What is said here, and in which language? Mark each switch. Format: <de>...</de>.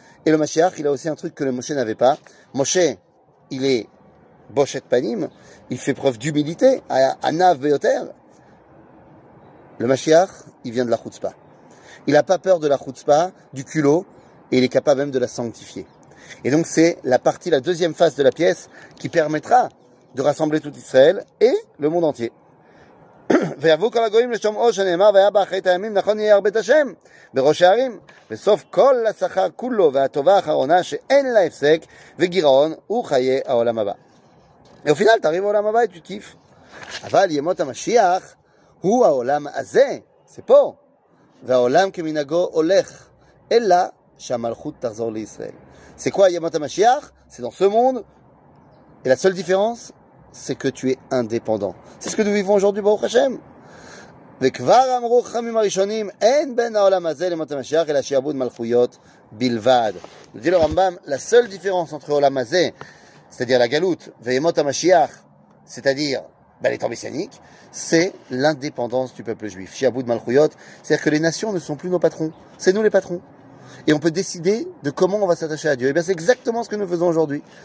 <fr>Et le Mashiach, il a aussi un truc que le Moshe n'avait pas. Moshe, il est Boshet Panim, il fait preuve d'humilité à Anav Beyoter. Le Mashiach, il vient de la Chutzpa. Il n'a pas peur de la Chutzpa, du culot, et il est capable même de la sanctifier. Et donc c'est la partie, la deuxième phase de la pièce qui permettra de rassembler tout Israël et le monde entier.</fr> <he>ויבוא כל הגויים לשומעו שנאמר והיה באחרית הימים נכון יהיה הרבית השם בראש הערים וסוף כל השכר כולו והטובה האחרונה שאין לה הפסק וגירעון הוא חיי העולם הבא.</he> <fr>Et au final, t'arrives au Olam Haba et tu kiffes.</fr> <he>אבל ימות המשיח הוא העולם הזה, זה פה, והעולם כמנהגו הולך, אלא שהמלכות תחזור לישראל.</he> <fr>C'est quoi Yamat HaMashiach? C'est dans ce monde. Et la seule différence, c'est que tu es indépendant. C'est ce que nous vivons aujourd'hui, Baruch Hashem.</fr> <he>וכבר אמרו חכמים הראשונים, אין בין העולם הזה למות המשיח, אלא שיעבוד מלכויות בלבד.</he> <fr>דיל הרמב״ם, la seule différence entre העולם הזה, c'est-à-dire la galoute, וימות המשיח, c'est-à-dire l'état messianique, c'est l'indépendance du peuple juif. Shiabud malchuyot, c'est-à-dire que les nations ne sont plus nos patrons, c'est nous les patrons. Et on peut décider de comment on va s'attacher à Dieu. Et bien c'est exactement ce que nous faisons aujourd'hui.</fr>